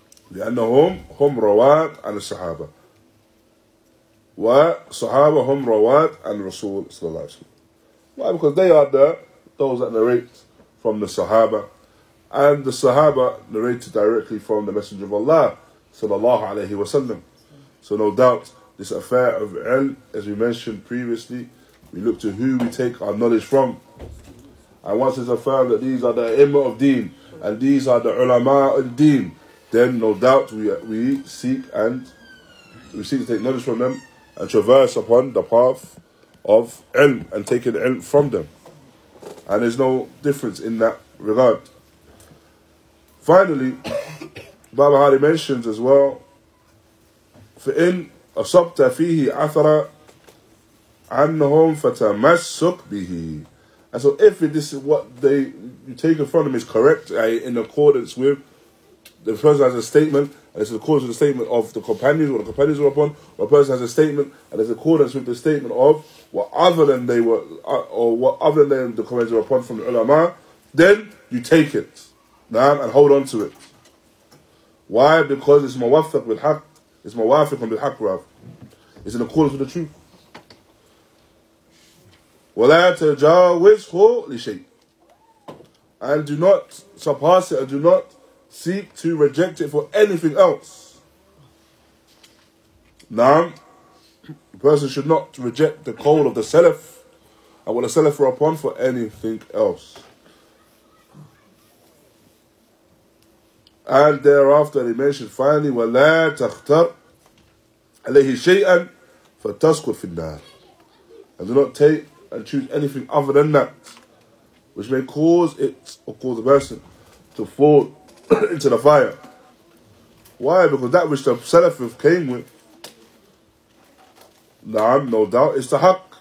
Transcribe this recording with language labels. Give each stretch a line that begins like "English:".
Arabic: لأنهم هم رواة عن الصحابة. وصحابة هم رواة عن الرسول, sallallahu alayhi wa sallam.
English: Why? Because they are those that narrate from the Sahaba. And the Sahaba narrated directly from the Messenger of Allah, sallallahu alayhi wa sallam. So no doubt, this affair of ilm, as we mentioned previously, we look to who we take our knowledge from. And once it's affirmed that these are the imma of deen, and these are the ulama of deen, then no doubt we seek to take knowledge from them, and traverse upon the path of ilm, and taking ilm from them. And there's no difference in that regard. Finally, Barbahaaree mentions as well,
Arabic: فَإِنْ أَصَبْتَ فِيهِ أَثَرَ عَنْهُمْ فَتَمَسُّكْ بِهِ.
English: And so if this is what you take from them is correct, in accordance with the person has a statement, and it's in accordance with the statement of the companions, what the companions were upon, or a person has a statement, and it's in accordance with the statement of what other than they were, or what other than the companions were upon from the ulama, then you take it, and hold on to it. Why? Because it's
Arabic: muwafiq bil haq.
English: It's muwafiq bil haq, rather. It's in accordance with the truth.
Arabic: وَلَا تَجَاوِزْهُ لِشَيْءٍ.
English: And do not surpass it, and do not seek to reject it for anything else. Naam. The person should not reject the call of the Salaf, I want a salaf upon for anything else. And thereafter, he mentioned finally,
Arabic: وَلَا تَخْتَرْ عَلَيْهِ شَيْئًا فَتَسْكُرْ فِي النَّارِ.
English: And do not take and choose anything other than that, which may cause it or cause the person to fall into the fire. Why? Because that which the Salaf came with, na'am, no doubt, is the haqq.